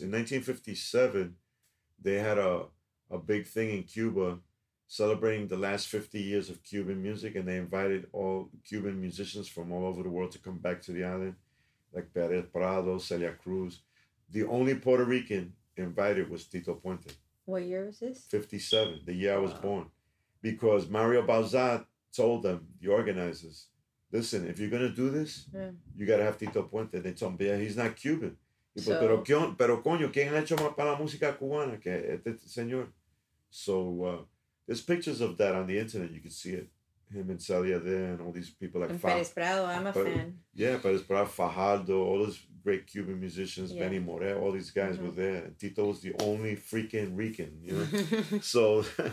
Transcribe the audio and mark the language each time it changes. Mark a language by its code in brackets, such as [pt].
[en] In 1957, they had a big thing in Cuba celebrating the last 50 years of Cuban music, and they invited all Cuban musicians from all over the world to come back to the island, like Pérez Prado, Celia Cruz. The only Puerto Rican invited was Tito Puente. What year was this? 57, the year I was born. Because Mario Bauzat told them, the organizers, listen, if you're going to do this, you got to have Tito Puente. They told him, yeah, he's not Cuban. [es] So, pero coño, ¿quién ha hecho más para la música cubana que este señor? [en] So there's pictures of that on the internet. You can see it. Him and Celia there and all these people like Pérez Prado, I'm a fan. Yeah, Pérez Prado, Fajardo, all those great Cuban musicians, Benny More, all these guys were there. And Tito was the only freaking Rican, you know? So...